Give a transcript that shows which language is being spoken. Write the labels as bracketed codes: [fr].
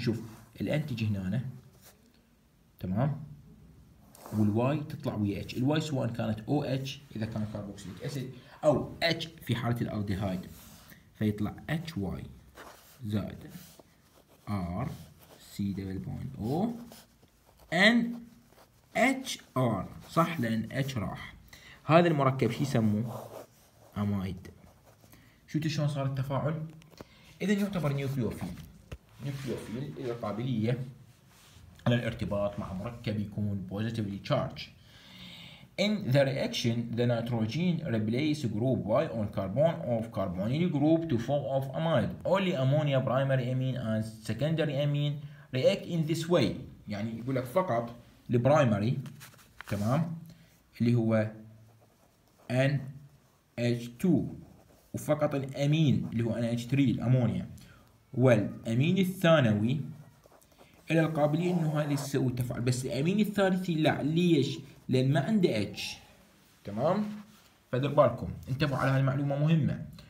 [ar] شوف الانتج هنا أنا. تمام، والواي تطلع ويا اتش، الواي سواء كانت او اتش اذا كان كاربوكسيليك اسيد او اتش في حاله الالديهايد، فيطلع اتش واي زائد R C double point O N H R، صح لأن H راح. هذا المركب شو يسموه؟ أمايد. شو تشلون صار التفاعل؟ إذا يعتبر نيوكليوفيل، نيوكليوفيل إذا قابلية على الارتباط مع مركب يكون [en] positively charged. In the reaction, the nitrogen replaces group Y on carbon of carbonyl group to form of amide. Only ammonia primary amine and secondary amine react in this way. [ar] يعني يقول لك فقط [en] the primary, [ar] تمام؟ اللي هو NH2 وفقط الأمين اللي هو NH3 الأمونيا. والأمين الثانوي إلى القابلية إنه هذا يسوي تفاعل، بس الأمين الثالثي لا، ليش؟ لان ما عنده اتش، تمام؟ فدير بالكم انتبهوا على هالمعلومه مهمه.